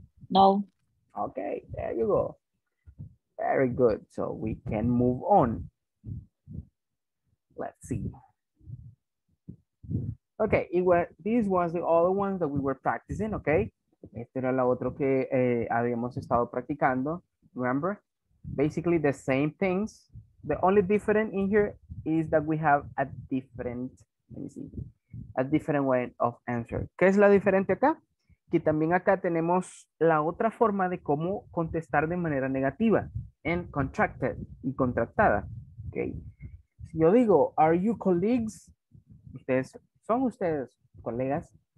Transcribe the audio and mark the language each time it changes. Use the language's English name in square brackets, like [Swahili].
[English] No. Okay, there you go. Very good. So we can move on. Let's see. Okay, this was the other one that we were practicing, okay? [Spanish] Este era el otro que habíamos estado practicando. [English] Remember? Basically the same things. The only difference in here is that we have a different, let me see, a different way of answer. [Spanish] ¿Qué es la diferente acá? Que también acá tenemos la otra forma de cómo contestar de manera negativa, en contracted y contractada, okay. Si yo digo, [English] are you colleagues? [Spanish] Ustedes, ¿son ustedes colegas?